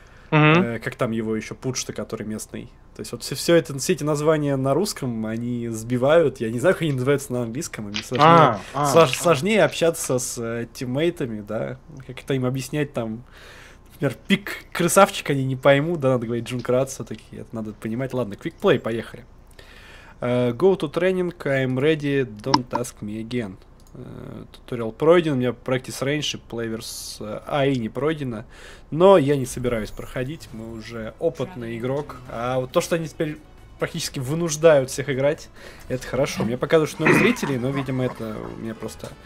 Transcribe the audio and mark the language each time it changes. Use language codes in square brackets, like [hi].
[ru] Как там его еще пудж-то, который местный. То есть вот все это, все эти названия на русском, они сбивают. Я не знаю, как они называются на английском. Им сложнее общаться с тиммейтами, да. Как-то им объяснять там, например, пик крысавчик они не поймут. Да, надо говорить джункрат все-таки, это надо понимать. Ладно, квикплей, поехали. [en] Go to training, I'm ready, don't ask me again. [ru] Туториал пройден, у меня practice range и players AI не пройдено, но я не собираюсь проходить, мы уже опытный игрок. А вот то, что они теперь практически вынуждают всех играть, это хорошо. Мне показывают, что 0 зрителей, но, видимо, это у меня просто